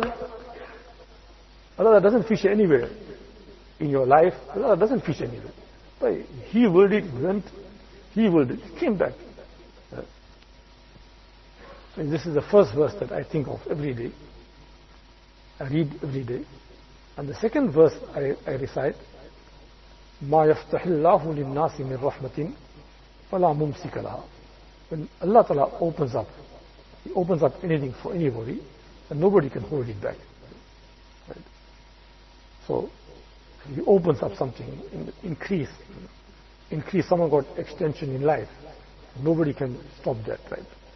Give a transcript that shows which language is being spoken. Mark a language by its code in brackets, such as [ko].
[en] Allah Ta'ala doesn't fish anywhere in your life. Allah Ta'ala doesn't fish anywhere. But He willed it, went. He willed it, came back. So this is the first verse that I think of every day. I read every day. And the second verse I recite, [ar] مَا يَفْتَحِ اللَّهُ لِلنَّاسِ مِنْ رَحْمَةٍ فَلَا مُمْسِكَ لَهَا. [en] When Allah Ta'ala opens up, He opens up anything for anybody, and nobody can hold it back. Right? So, He opens up something, increase, someone got extension in life, nobody can stop that, right?